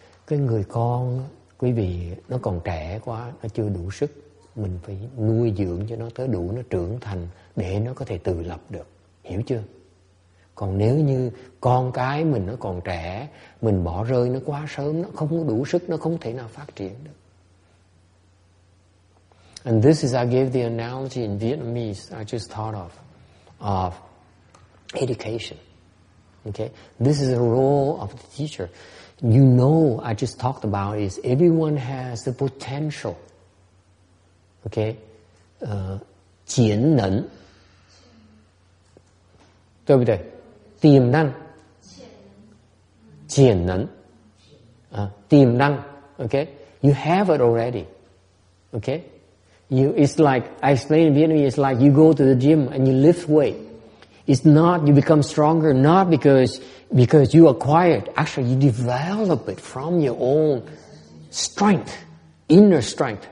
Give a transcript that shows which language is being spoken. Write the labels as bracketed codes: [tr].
[vi] Cái người con quý vị nó còn trẻ quá, nó chưa đủ sức, mình phải nuôi dưỡng cho nó tới đủ nó trưởng thành để nó có thể tự lập được, hiểu chưa? Còn nếu như con cái mình nó còn trẻ, mình bỏ rơi nó quá sớm, nó không có đủ sức, nó không thể nào phát triển được. [en] And this is, I gave the analogy in Vietnamese, I just thought of education. Okay, this is the role of the teacher. You know, I just talked about is everyone has the potential. [vi] Okay, chiến năng, đúng không? Tiềm năng, chiến năng, tiềm năng. [en] Okay, you have it already. Okay, you, it's like I explained in Vietnamese. It's like you go to the gym and you lift weight. It's not you become stronger, not because you acquired. Actually, you develop it from your own strength, inner strength.